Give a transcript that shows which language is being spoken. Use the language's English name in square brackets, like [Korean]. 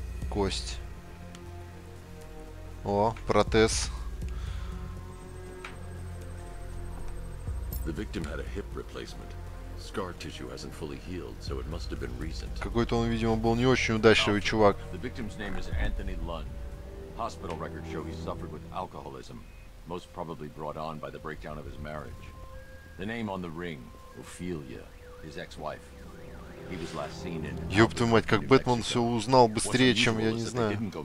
[Russian] Кость. О, протез. [English] The victim had a hip replacement. Scar tissue hasn't fully healed, so it must have been recent. [Russian] Какой-то он, видимо, был не очень удачливый чувак. [English] The victim's name is Anthony Lund. Hospital records show he suffered with alcoholism, most probably brought on by the breakdown of his marriage. The name on the ring, Ophelia, his ex-wife. He was last seen in. [Russian] Ёб твою мать, как Бэтмен все узнал быстрее, чем я, не знаю.